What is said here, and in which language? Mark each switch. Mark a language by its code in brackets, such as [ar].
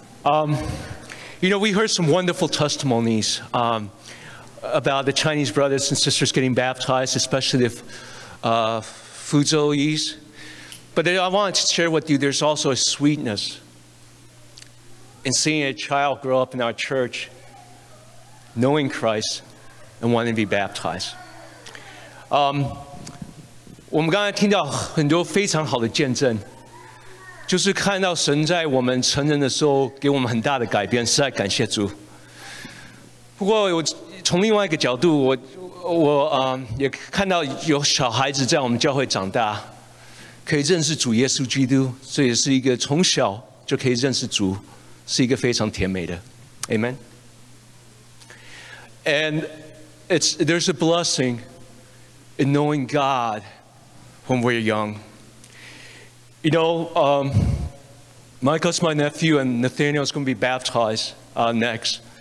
[en] You know, we heard some wonderful testimonies about the Chinese brothers and sisters getting baptized, especially the Fuzhou-yis. But I wanted to share with you, there's also a sweetness in seeing a child grow up in our church, knowing Christ and wanting to be baptized. [zh] 我们刚才听到很多非常好的见证。就是看到神在我们成人的时候给我们很大的改变，实在感谢主。不过我从另外一个角度，我也看到有小孩子在我们教会长大，可以认识主耶稣基督，这也是一个从小就可以认识主，是一个非常甜美的 ，Amen。 [en] And there's a blessing in knowing God when we're young. You know, Michael's my nephew, and Nathaniel's going to be baptized next.